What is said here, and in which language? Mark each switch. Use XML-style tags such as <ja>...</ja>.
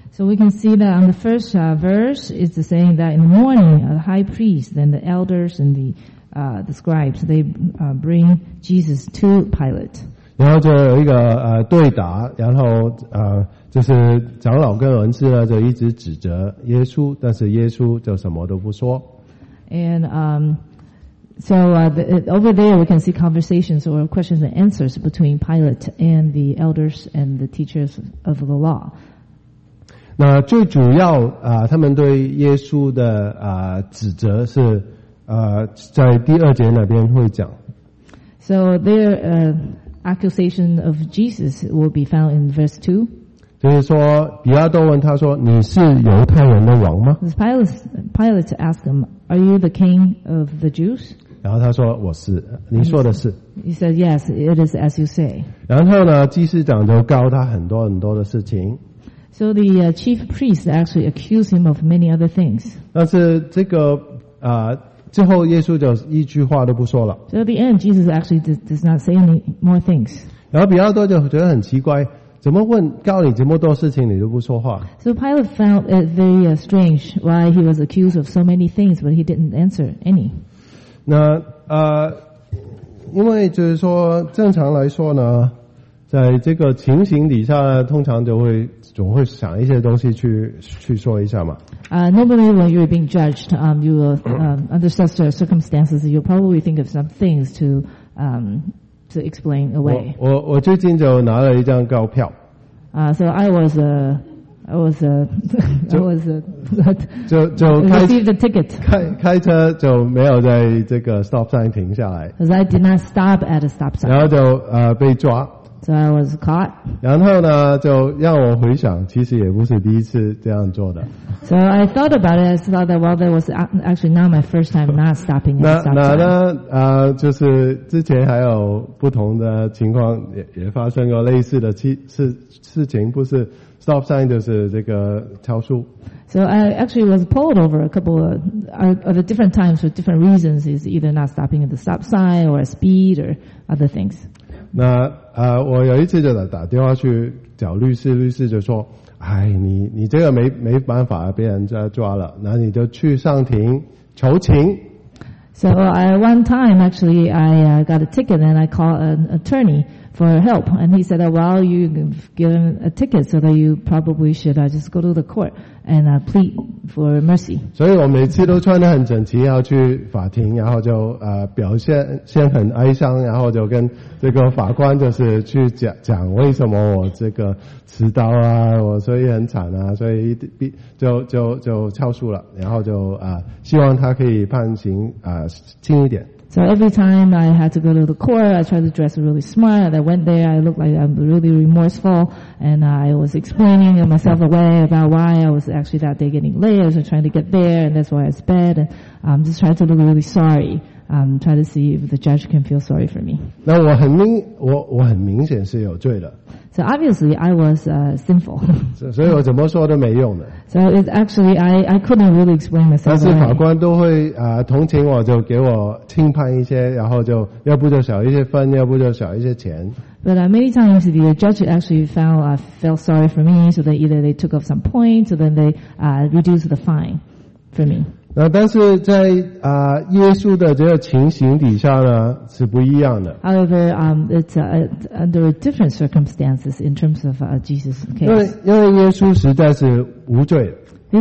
<en>So we can see that on the first verse is saying that in the morning the high priest and the elders and the scribes they bring Jesus to Pilate.</en> <zh>然后就有一个对打，然后就是长老跟文士呢就一直指责耶稣，但是耶稣就什么都不说。</zh> <en>And over there we can see conversations or questions and answers between Pilate and the elders and the teachers of the law.</en> <zh>那最主要他们对耶稣的指责是在第二节那边会讲。</zh> <en>So their accusation of Jesus will be found in verse 2.</en> <zh>就是说，比拉多问他说：“你是犹太人的王吗</zh> <en>？”Pilate asked him, "Are you the king of the Jews?"</en> <zh>然后他说：“我是。” 你说的是。</zh> <en>He said, "Yes, it is as you say."</en> <zh>然后呢，祭司长就告他很多很多的事情。</zh> <en>So the chief priest actually accused him of many other things.</en> <zh>但是这个最后耶稣就一句话都不说了。</zh> <en>So at the end, Jesus actually does not say any more things.</en> <zh>然后比拉多就觉得很奇怪，怎么问告你这么多事情，你都不说话</zh> <en>？So Pilate found it very strange why he was accused of so many things, but he didn't answer any.</en> <zh>那因为就是说，正常来说呢，在这个情形底下，通常就会总会想一些东西去说一下嘛。</zh> <en>Normally when you're being judged, you will under such circumstances, you'll probably think of some things to explain away.</en> <zh>我最近就拿了一张高票。</zh> <en>So I received a ticket.</en> <zh>开车就没有在这个 stop sign 停下来。</zh> <en>Because I did not stop at a stop sign.</en> <zh>然后就被抓。</zh> <en>So I was caught.</en> <zh>然后呢，就让我回想，其实也不是第一次这样做的。</zh> <en>So I thought about it. I thought that well, that was actually not my first time not stopping at a stop sign.</en> <zh>那就是之前还有不同的情况，也发生过类似的事情，不是 stop sign 就是这个超速。</zh> <en>So I actually was pulled over a couple of the different times for different reasons. Is either not stopping at the stop sign or speed or other things.</en> <zh>那我有一次就打电话去找律师，律师就说：“哎，你这个没办法，被人家抓了，那你就去上庭求情。”</zh> <en>So one time actually I got a ticket and I called an attorney for help, and he said, "Well, you've given a ticket, so that you probably should just go to the court and plead for mercy."</en> <zh>所以我每次都穿得很整齐，要去法庭，然后就表现先很哀伤，然后就跟这个法官就是去讲为什么我这个迟到啊，我所以很惨啊，所以就超速了，然后就希望他可以判刑轻一点。</zh> <en>So every time I had to go to the court, I tried to dress really smart. I went there, I looked like I'm really remorseful, and I was explaining myself away about why I was actually that day getting late. I was trying to get there, and that's why I sped, and I'm just trying to look really sorry. Try to see if the judge can feel sorry for me.</en> <zh>那我很明显是有罪的。</zh> <en>So obviously I was sinful.</en> <zh>所以我怎么说都没用的。</zh> <en>So it's actually I couldn't really explain myself.</en> <zh>但是法官都会同情我，就给我轻判一些，然后就要不就少一些分，要不就少一些钱。</zh> <en>But many times the judge actually felt sorry for me, so that either they took off some points, or then they reduced the fine for me.</en> <zh>但是在耶稣的这个情形底下呢，是不一样的。</zh> <en>However, it's under different circumstances in terms of Jesus' case.</en> <zh>因为耶稣实在是无罪的。</zh>